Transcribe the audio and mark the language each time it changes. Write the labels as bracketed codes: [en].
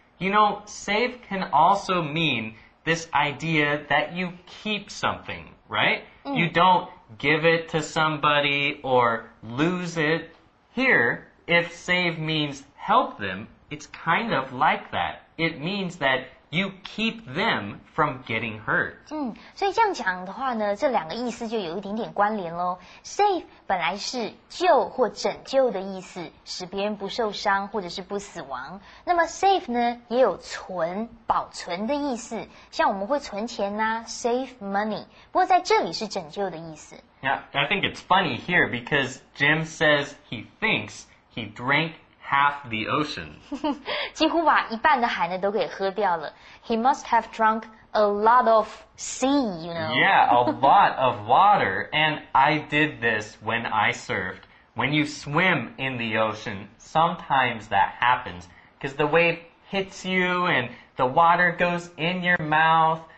[en] You know, save can also mean this idea that you keep something, right? Mm. You don't give it to somebody or lose it. Here, if save means help them, it's kind of like that. It means that you keep them from getting hurt. [zh] 所以这样讲的话呢，这两个意思就有一点点关联咯。 Save 本来是救或拯救的意思，使别人不受伤或者是不死亡。那么 save 呢，也有存、保存的意思，像我们会存钱呢 ， [en] save money。 [zh] 不过在这里是拯救的意思。 [en] Yeah, I think it's funny here because Jim says he thinks he drank. Half the ocean. [zh] 几乎把一半的海呢都给喝掉了。 [en] He must have drunk a lot of sea, you know. Yeah, a lot of water. And I did this when I surfed. When you swim in the ocean, sometimes that happens. Because the wave hits you and the water goes in your mouth.